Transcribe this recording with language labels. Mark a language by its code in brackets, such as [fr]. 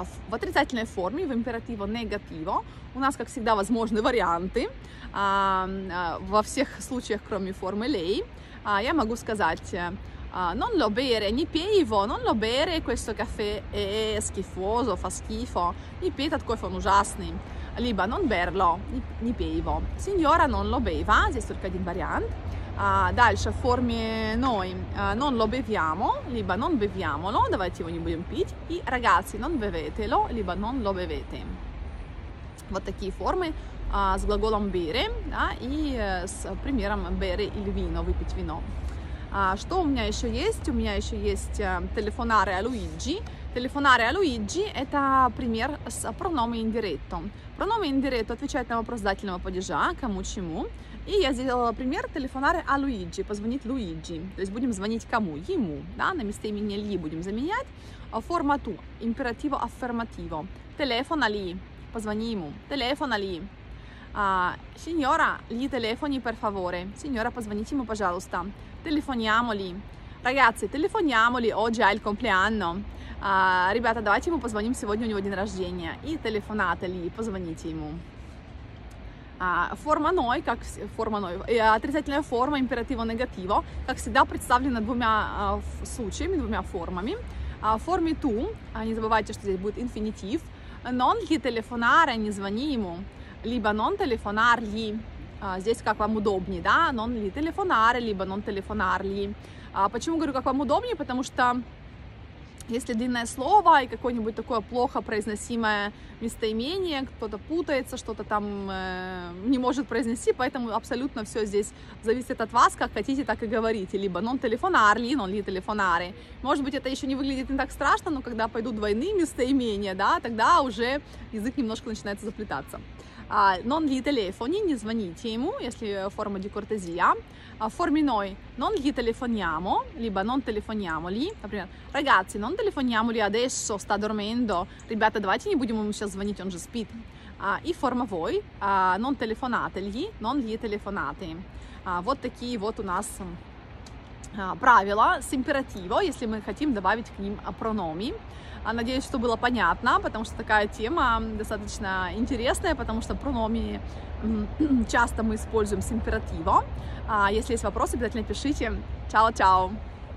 [ru] В отрицательной форме, в императиво негативо, у нас, как всегда, возможны варианты, во всех случаях, кроме формы «lei», я могу сказать [it] «non lo bere», [ru] «не пей его», [it] «non lo bere, questo caffè è schifoso», «fa schifo», [ru] «не пей этот кофе, он ужасный», либо [it] «non berlo», [ru] «не пей его», [it] «signora non lo beva», [ru] здесь только один вариант. Дальше, в форме [it] «noi», «non lo beviamo», либо «non beviamolo», [ru] давайте его не будем пить, [it] и «ragazzi, non bevetelo», либо «non lo bevete». [ru] Вот такие формы с глаголом «bere», да, и с примером [it] «bere il vino», [ru] «выпить вино». Что у меня еще есть? У меня еще есть [it] «telefonare a Luigi». «Telefonare a Luigi» — [ru] это пример с [it] «pronome indiretto». [ru] «Pronome indiretto» отвечает на вопрос дательного падежа, кому чему. И я сделала пример [it] «telefonare a Luigi», [ru] «позвонить Луиджи». То есть будем звонить кому? Ему. Да? На местоимение «ли» будем заменять. Форма «ту» — императиво аффермативо. [it] «Telefona li» — [ru] позвони ему. [it] «Telefona li». «Signora, li telefoni per favore». [ru] «Signora, позвоните ему, пожалуйста». [it] «Telefoniamoli». «Ragazzi, telefoniamoli, oggi è il compleanno». [ru] «Ребята, давайте ему позвоним, сегодня у него день рождения». И [it] «telefonate li», [ru] «позвоните ему». Форма «noi», как форма «noi», отрицательная форма императиво-негативо, как всегда, представлена двумя случаями, двумя формами. В форме «tu», не забывайте, что здесь будет инфинитив, [it] «non gli telefonare», [ru] «не звони ему», либо [it] «non telefonargli», [ru] здесь как вам удобнее, да, «non gli telefonare», либо «non telefonargli». Почему говорю, как вам удобнее, потому что если длинное слово и какое-нибудь такое плохо произносимое местоимение, кто-то путается, что-то там не может произнести, поэтому абсолютно все здесь зависит от вас, как хотите, так и говорите. Либо [it] non telefonare, non li telefonare. [ru] Может быть, это еще не выглядит не так страшно, но когда пойдут двойные местоимения, да, тогда уже язык немножко начинает заплетаться. [it] Non li telefoni, [ru] не звоните ему, если форма di cortesia. В форме noi, [it] non gli telefoniamo, [ru] либо [it] non telefoniamoli, [ru] например, [it] ragazzi, non telefoniamoli adesso, sta dormendo, [ru] ребята, давайте не будем ему сейчас звонить, он же спит. И форма [it] voi, non telefonategli, non gli telefonate. [ru] Вот такие вот у нас правила с императиво, если мы хотим добавить к ним прономи. Надеюсь, что было понятно, потому что такая тема достаточно интересная, потому что прономи часто мы используем с императиво. Если есть вопросы, обязательно пишите. Чао-чао!